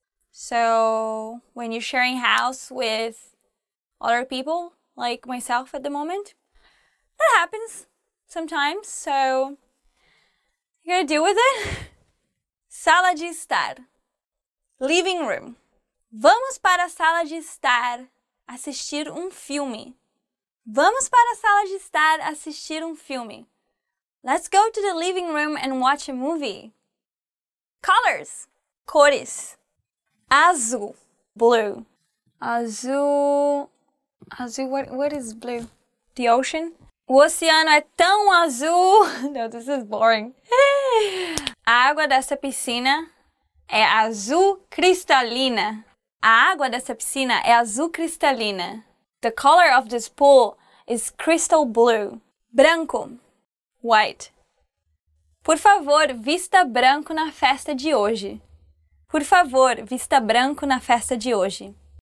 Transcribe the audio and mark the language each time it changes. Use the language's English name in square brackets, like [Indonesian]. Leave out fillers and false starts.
[English] So, when you're sharing house with other people, like myself at the moment, that happens sometimes, so you gotta deal with it. [Portuguese] Sala de estar. [English] Living room. [Portuguese] Vamos para a sala de estar assistir um filme. Vamos para a sala de estar assistir um filme. [English] Let's go to the living room and watch a movie. Colors. [Portuguese] Cores. Azul. [English] Blue. Azul, what is blue? The ocean? [Portuguese] O oceano é tão azul. [English] No, this is boring. [Portuguese] A água dessa piscina é azul cristalina. A água dessa piscina é azul cristalina. [English] The color of this pool is crystal blue. [Portuguese] Branco. [English] White. [Portuguese] Por favor, vista branco na festa de hoje. Por favor, vista branco na festa de hoje.